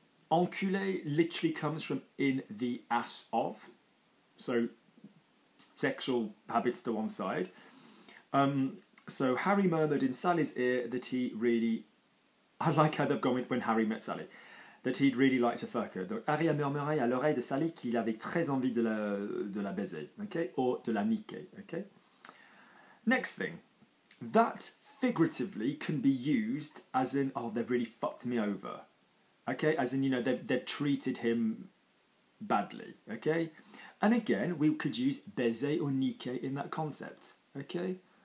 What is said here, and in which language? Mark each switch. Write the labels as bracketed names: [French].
[English] Enculé literally comes from in the ass of, so sexual habits to one side. So Harry murmured in Sally's ear that he really, I like how they've gone with when Harry met Sally, that he'd really like to fuck her. [French] Donc Harry a murmuré à l'oreille de Sally qu'il avait très envie de la baiser, okay, or de la niquer, okay. [English] Next thing, that figuratively can be used as in, oh, they've really fucked me over. okay? As in, you know, they've treated him badly, okay? And again, we could use baiser or niquer in that concept, okay?